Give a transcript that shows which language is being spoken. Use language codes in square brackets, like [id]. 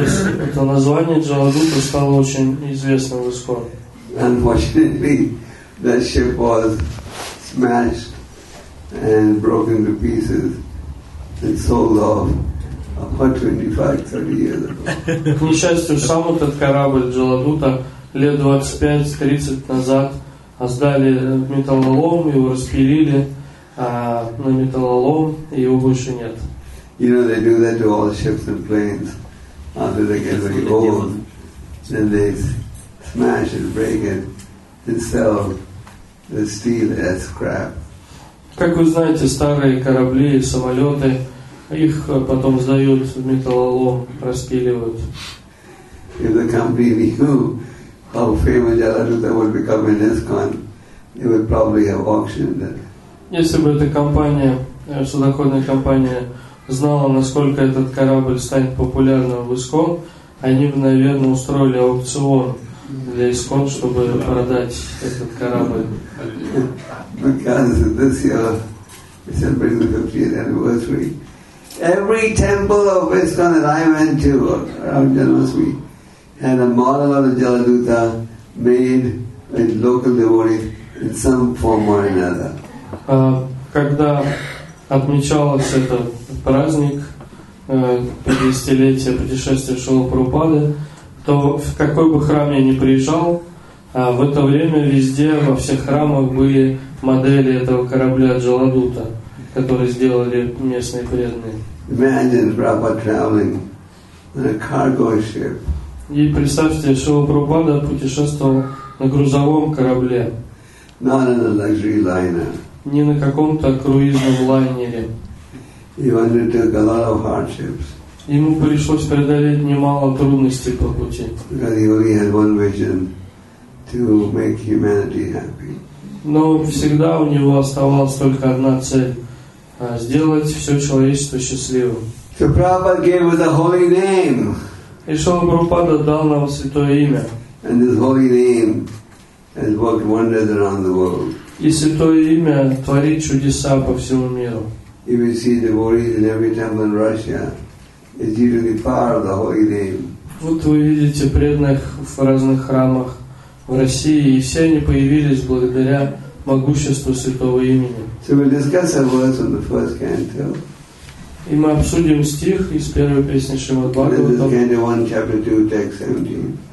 [ru] Это название Джаладута стало очень известным в ИСКОН. [en] Unfortunately, that ship was smashed and broken to pieces. It sold off 25-30 years ago. [ru] К несчастью, сам этот корабль Джаладута лет 25-30 назад сдали металлолом, его распилили на металлолом, и его больше нет. [en] You know, they do that to all ships and planes after they get very old. Then they smash and break it and sell the steel as scrap. [ru] Как вы знаете, старые корабли и самолеты, их потом сдают в металлолом, распиливают. [en] If the company knew how famous Jaladuta would become in ISKCON, they would probably have auctioned it. [ru] Если бы эта компания, судоходная компания, знала, насколько этот корабль станет популярным в ИСКОН, они бы, наверное, устроили аукцион для ИСКОН, чтобы продать этот корабль. [en] Because this year is celebrating the 50th anniversary. Every temple of ISKCON that I went to around Janmasthami had a model of the Jaladuta made by local devotees in some form or another. [ru] Когда отмечалось это праздник 50-летия путешествия Шрилы Прабхупады, то в какой бы храм я ни приезжал, в это время везде, во всех храмах были модели этого корабля Джаладута, который сделали местные преданные. [en] Imagine Prabhupada traveling on a cargo ship. [ru] И представьте, Шрила Прабхупада путешествовал на грузовом корабле. [en] Not on a luxury liner. [ru] Не на каком-то круизном лайнере. [en] He undertook a lot of hardships. [ru] Ему пришлось преодолеть немало трудностей по пути. [en] Because he only had one vision to make humanity happy. [ru] Но всегда у него оставалась только одна цель. Сделать все человечество счастливым. [en] So Prabhupada gave us a holy name. [ru] И Шрила Прабхупада дал нам святое имя. [en] And His holy name has worked wonders around the world. [ru] И Святое имя творит чудеса по всему миру. [en] You will see devotees in every temple in Russia. It's due to the power of the holy name. [ru] Вот вы видите преданных в разных храмах в России, и все они появились благодаря могуществу Святого имени. [en] So we'll discuss a verse on the first canto. [ru] И мы обсудим стих из первой песни Шримад-Бхагаватам.